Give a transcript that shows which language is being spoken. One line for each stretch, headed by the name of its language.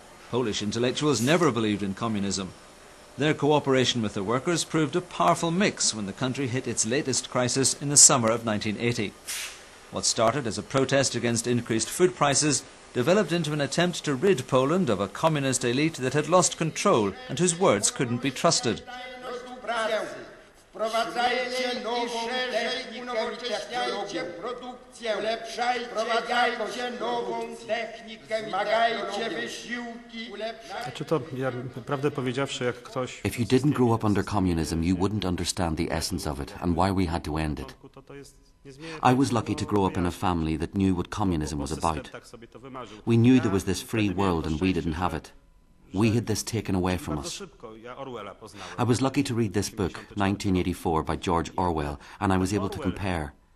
English: Polish intellectuals never believed in communism. Their cooperation with the workers proved a powerful mix when the country hit its latest crisis in the summer of 1980. What started as a protest against increased food prices developed into an attempt to rid Poland of a communist elite that had lost control and whose words couldn't be trusted.
Polish: Wprowadzajcie nową technikę i testujcie produkcję. Wprowadzajcie nową technikę, wymagajcie wysiłki. Czy to, ja prawdę powiedziawszy, jak ktoś...
English: If you didn't grow up under communism, you wouldn't understand the essence of it and why we had to end it. I was lucky to grow up in a family that knew what communism was about. We knew there was this free world and we didn't have it. We had this taken away from us. I was lucky to read this book, 1984, by George Orwell, and I was able to compare.